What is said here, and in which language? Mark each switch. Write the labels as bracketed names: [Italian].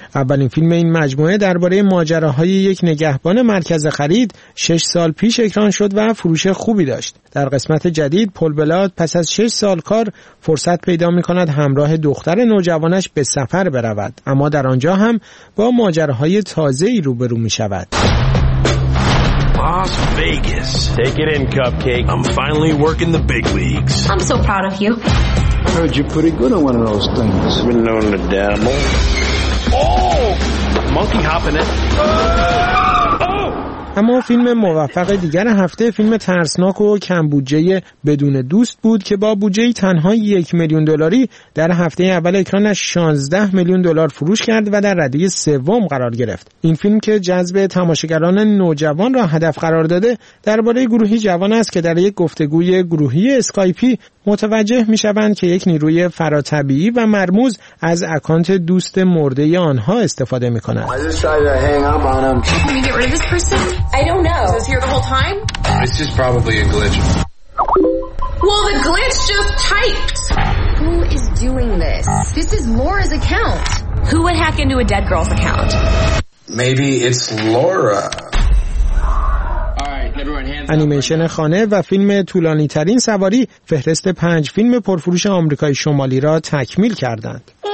[Persian] اولین فیلم این مجموعه درباره ماجراهای یک نگهبان مرکز خرید 6 سال پیش اکران شد و فروش خوبی داشت. در قسمت جدید پل بلارت پس از 6 سال کار فرصت پیدا می‌کند همراه دختر نوجوانش به سفر برود، اما در آنجا هم با ماجراهای تازه‌ای روبرو می‌شود. [English] Las Vegas. Take it in, cupcake. I'm finally working the big leagues. I'm so proud of you. I heard you're pretty good on one of those things. Been known to dabble. Oh! Monkey hopping it. [Persian] اما فیلم موفق دیگر هفته فیلم ترسناک و کم بودجه بدون دوست بود که با بودجه تنها 1 میلیون دلاری در هفته اول اکرانش 16 میلیون دلار فروش کرد و در رده سوم قرار گرفت. این فیلم که جذب تماشاگران نوجوان را هدف قرار داده درباره گروهی جوان است که در یک گفتگوی گروهی اسکایپی متوجه می شوند که یک نیروی فراطبیعی و مرموز از اکانت دوست مرده آنها استفاده می کند. [English] I don't know. Is this here the whole time? It's just probably a glitch. Well, the glitch just typed. Who is doing this? This is Laura's account. Who would hack into a dead girl's account? Maybe it's Laura. [Persian] انیمیشن خانه و فیلم طولانی ترین سواری فهرست 5 فیلم پرفروش آمریکای شمالی را تکمیل کردند.